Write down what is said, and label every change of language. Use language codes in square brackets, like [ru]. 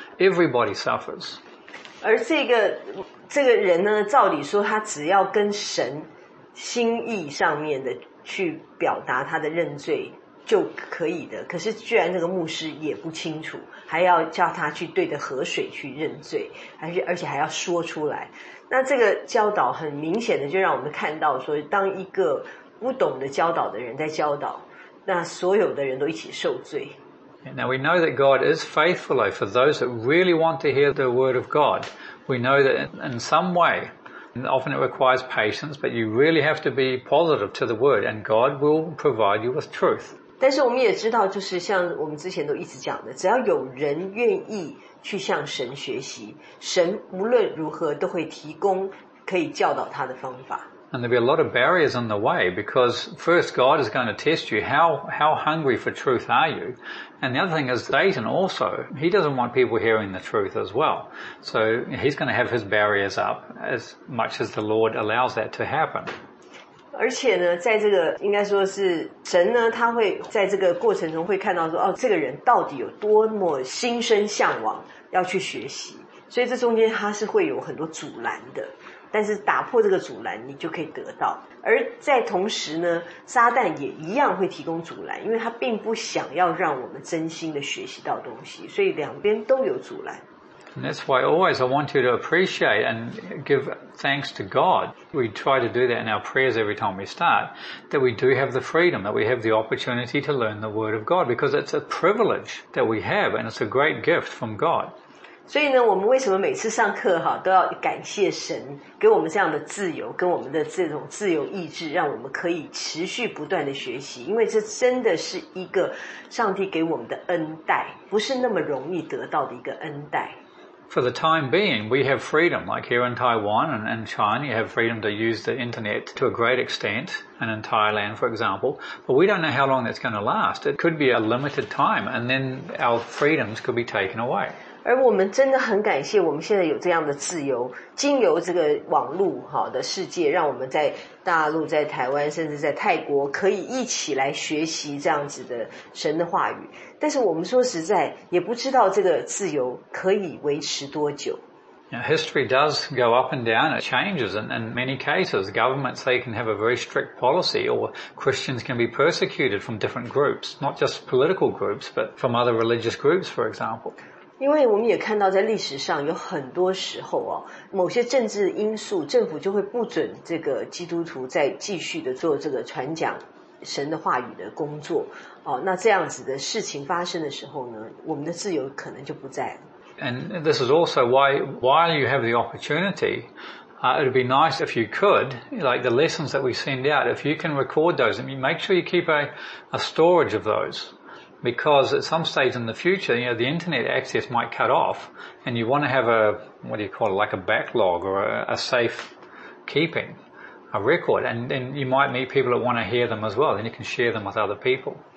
[en] Everybody suffers. [zh] 而这个人呢，照理说他只要跟神心意上面的去表达他的认罪就可以的。可是居然这个牧师也不清楚，还要叫他去对着河水去认罪，而且还要说出来。那这个教导很明显的就让我们看到说，当一个不懂得教导的人在教导，那所有的人都一起受罪。 [en] Now we know that God is faithful though, for those that really want to hear the word of God. We know that in some way, and often it requires patience, but you really have to be positive to the word and God will provide you with truth. [zh] 但是我们也知道就是像我们之前都一直讲的，只要有人愿意去向神学习，神无论如何都会提供可以教导他的方法。 [en] And there'll be a lot of barriers in the way because first God is going to test you. How hungry for truth are you? And the other thing is Satan also, he doesn't want people hearing the truth as well. So he's going to have his barriers up as much as the Lord allows that to happen. [zh] 而且呢，在这个应该说是神呢，他会在这个过程中会看到说，哦，这个人到底有多么心生向往要去学习。所以这中间他是会有很多阻拦的。但是打破这个阻拦你就可以得到。而在同时呢，撒旦也一样会提供阻拦，因为他并不想要让我们真心的学习到东西，所以两边都有阻拦。 [en] And that's why always I want you to appreciate and give thanks to God. We try to do that in our prayers every time we start, that we do have the freedom, that we have the opportunity to learn the word of God, because it's a privilege that we have and it's a great gift from God. [zh] 所以呢，我们为什么每次上课哈都要感谢神给我们这样的自由，跟我们的这种自由意志，让我们可以持续不断的学习？因为这真的是一个上帝给我们的恩待，不是那么容易得到的一个恩待。 [en] For the time being, we have freedom. Like here in Taiwan and in China, you have freedom to use the internet to a great extent, and in Thailand, for example. But we don't know how long that's going to last. It could be a limited time, and then our freedoms could be taken away. [zh] 而我们真的很感谢我们现在有这样的自由，经由这个网络的世界，让我们在大陆、在台湾甚至在泰国可以一起来学习这样子的神的话语。但是我们说实在也不知道这个自由可以维持多久。 [en] Now, history does go up and down. It changes in many cases. Governments, they can have a very strict policy or Christians can be persecuted from different groups, not just political groups, but from other religious groups, for example. [zh] 因为我们也看到在历史上有很多时候啊，某些政治因素政府就会不准这个基督徒再继续的做这个传讲神的话语的工作，那这样子的事情发生的时候呢，我们的自由可能就不在了。 [en] And this is also why, while you have the opportunity, It'd be nice if you could, like the lessons that we send out, if you can record those, I mean, make sure you keep a storage of those, because at some stage in the future, you know, the internet access might cut off and you want to have a, what do you call it, like a backlog or a safe keeping, a record, and then you might meet people that want to hear them as well, and you can share them with other people.